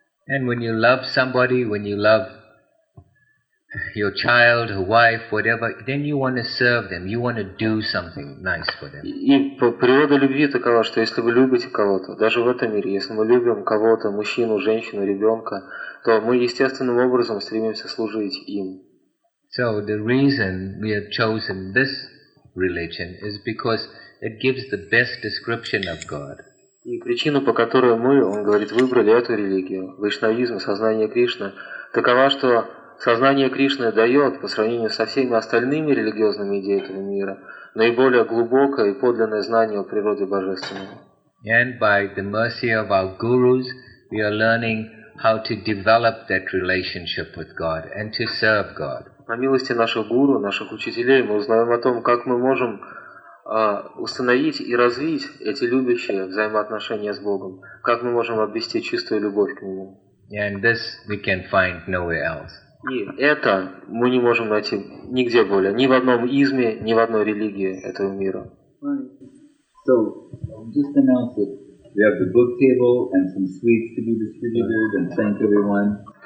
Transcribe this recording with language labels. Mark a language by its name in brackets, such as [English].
[English] And when you love somebody, when you love your child, your wife, whatever, then you want to serve them, you want to do something nice for them. [Russian] И природа любви такова, что если вы любите кого-то, даже в этом мире, если мы любим кого-то, мужчину, женщину, ребенка, то мы естественным образом стремимся служить им. [English] So the reason we have chosen this religion is because it gives the best description of God. [Russian] И причина, по которой мы, он говорит, выбрали эту религию, вайшнавизм, сознание Кришны, такова, что сознание Кришны дает, по сравнению со всеми остальными религиозными идеями этого мира, наиболее глубокое и подлинное знание о природе Божественной. [English] And by the mercy of our gurus, we are learning how to develop that relationship with God and to serve God. [Russian] По милости наших гуру, наших учителей, мы узнаем о том, как мы можем установить и развить эти любящие взаимоотношения с Богом, как мы можем обрести чистую любовь к Нему. [English] And this we can find nowhere else. [Russian] И это мы не можем найти нигде более, ни в одном изме, ни в одной религии этого мира. [English] So, just announced that we have the book table and some sweets to be distributed and thank everyone.